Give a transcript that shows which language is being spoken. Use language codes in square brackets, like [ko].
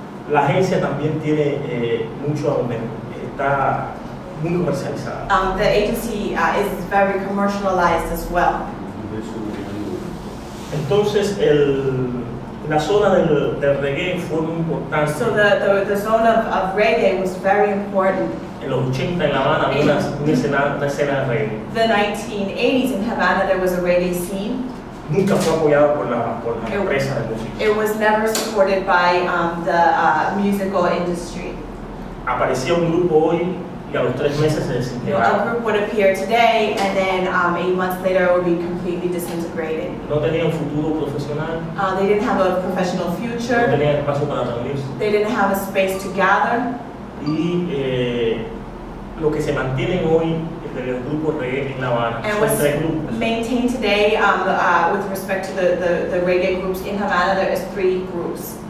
[es] La agencia también tiene mucho aumento, está muy comercializada. [en] The agency is very commercialized as well. [es] Entonces, la zona del reggae fue muy importante. [en] So the zone of reggae was very important. [es] En los 80 en La Habana había una escena de reggae. [en] The 1980s in Havana there was a reggae scene. [es] Nunca fue apoyado por la empresa de música. [en] It was never supported by the musical industry. [es] Aparecía un grupo hoy y a los 3 meses se desintegraba. [en] A group would appear today and then 8 months later it would be completely disintegrated. [es] No tenía un futuro profesional. [en] They didn't have a professional future. [es] No tenía espacio para reunirse. [en] They didn't have a space to gather. [es] Y lo que se mantiene hoy del grupo reggae en La Habana. [en] And what's maintained today with respect to the reggae groups in Havana, there is 3 groups.